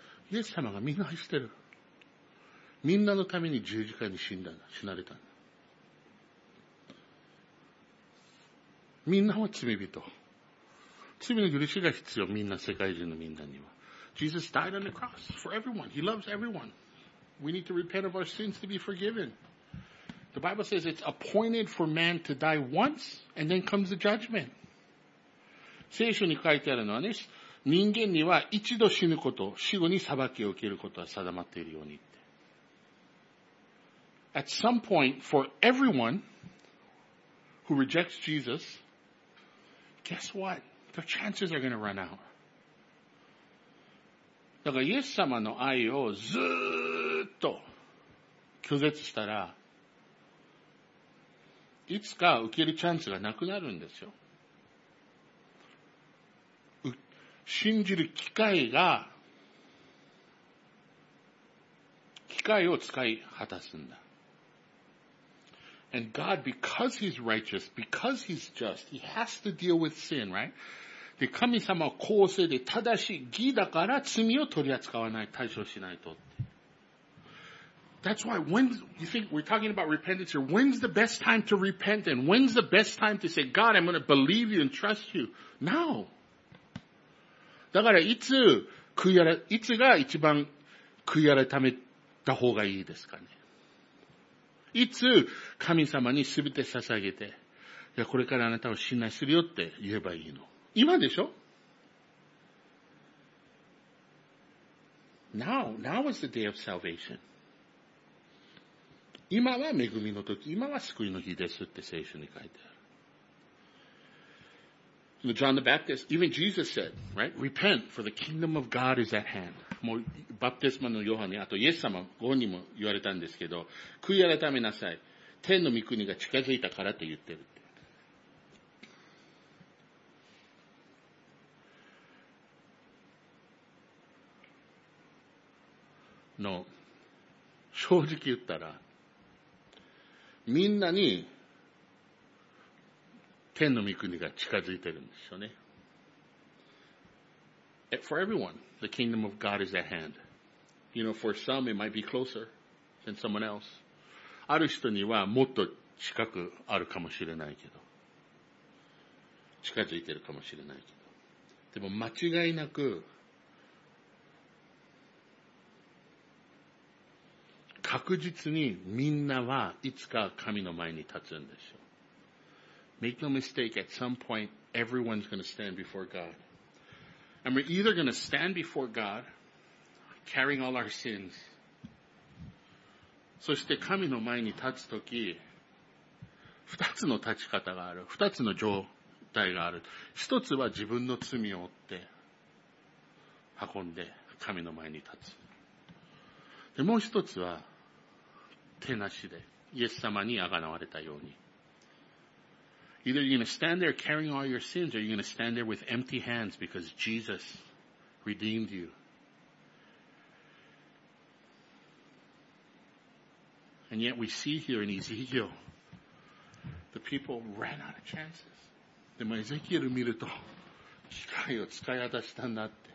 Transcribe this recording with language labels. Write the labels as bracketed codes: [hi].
[ja] イエス様がみんな愛してる。みんなのために十字架に死んだんだ、死なれたんだ。みんなは罪人。罪の許しが必要。みんな、世界中のみんなには。 [en] Jesus died on the cross for everyone. He loves everyone. We need to repent of our sins to be forgiven. The Bible says it's appointed for man to die once and then comes the judgment. [ja] 聖書に書いてあるのはね、人間には一度死ぬこと、死後に裁きを受けることは定まっているようにって。 [en] At some point, for everyone who rejects Jesus,Guess what? Their chances are going to run out. [ja] だから、イエス様の愛をずーっと拒絶したら、いつか受けるチャンスがなくなるんですよ。信じる機会が、機会を使い果たすんだ。 [en] And God, because He's righteous, because He's just, He has to deal with sin, right? [ja] で、神様は公正で正しい義だから罪を取り扱わない、対処しないと。 [en] That's why when you think we're talking about repentance here, when's the best time to repent and when's the best time to say, God, I'm going to believe you and trust you? Now. [ja] だからいつが一番悔い改めた方がいいですかね。いつ神様に全て捧げて、いや、これからあなたを信頼するよって言えばいいの。今でしょ？ [en] Now is the day of salvation. [ja] 今は恵みの時、今は救いの日ですって聖書に書いてある。 [en] John the Baptist, even Jesus said, right? Repent, for the kingdom of God is at hand. [ja] もう、バプテスマのヨハネ、あとイエス様、ご本人も言われたんですけど、悔い改めなさい。天の御国が近づいたからって言ってるって。の、正直言ったら、みんなに天の御国が近づいてるんですよね。 [en] For everyone, the kingdom of God is at hand. You know, for some it might be closer than someone else. [ja] ある人にはもっと近くあるかもしれないけど。近づいてるかもしれないけど。でも間違いなく確実にみんなはいつか神の前に立つんでしょう。 [en] Make no mistake, at some point, everyone's gonna stand before God. And we're either gonna stand before God, carrying all our sins. [ja] そして神の前に立つとき、二つの立ち方がある。二つの状態がある。一つは自分の罪を負って、運んで神の前に立つ。で、もう一つは、手なしでイエス様にあがなわれたように。 [en] Either you're going to stand there carrying all your sins, or you're going to stand there with empty hands because Jesus redeemed you. And yet we see here in Ezekiel, the people ran out of chances. [ja] でもエゼキエル見ると、機会を使い果たしたんだって。